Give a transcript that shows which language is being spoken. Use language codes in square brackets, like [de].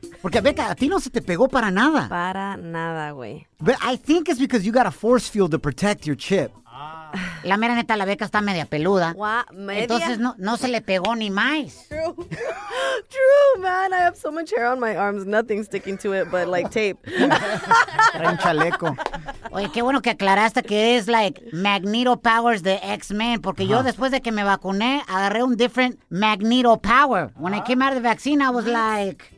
[es] Porque, Becca, a ti no se te pegó para nada. Para nada, güey. [en] But I think it's because you got a force field to protect your chip. [es] La mera neta, la beca está media peluda. ¿Media? Entonces no se le pegó ni más. [en] True, man. I have so much hair on my arms. Nothing sticking to it but like tape. [es] Un chaleco. Oye, qué bueno que aclaraste que es like Magneto Powers de X-Men. Porque yo después de que me vacuné, agarré un [en] different Magneto Power. When I came out of the vaccine, I was like...